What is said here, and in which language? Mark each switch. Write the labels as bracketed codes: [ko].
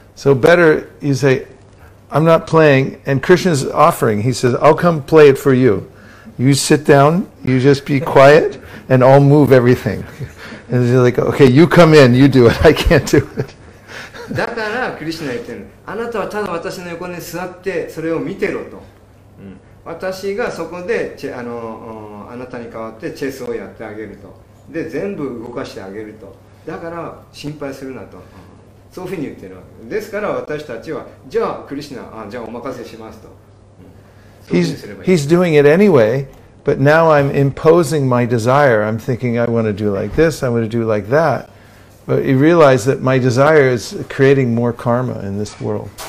[en] So better you say, I'm not playing, and Krishna's offering. He says, I'll come play it for you. You sit down, you just be quiet, and I'll move everything. And he's like, okay, you come in, you do it. I can't do it. [ja] だからクリシナ言ってる。あなたはただ私の横に座ってそれを見てろと。私がそこであなたに代わってチェスをやってあげると。で、全部動かしてあげると。だから心配するなと。そういうふうに言ってるわけです。ですから私たちは、じゃあクリシナ、じゃあお任せしますと。 [en] He's doing it anyway, but now I'm imposing my desire. I'm thinking I want to do like this, I want to do like that. But you realize that my desire is creating more karma in this world.